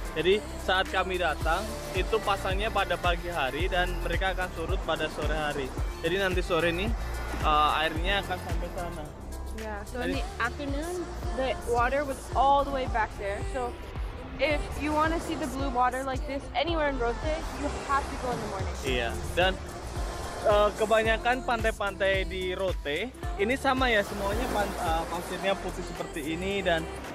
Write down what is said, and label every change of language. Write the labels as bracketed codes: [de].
[id] Jadi saat kami datang, itu pasangnya pada pagi hari dan mereka akan surut pada sore hari. Jadi nanti sore ini airnya akan sampai sana. [en] Yeah, so [id] jadi, [en] in the afternoon, the water was all the way back there. So if you want to see the blue water like this anywhere in Rote, you have to go in the morning. [id] Iya, dan kebanyakan pantai-pantai di Rote ini sama ya, semuanya pasirnya putih seperti ini dan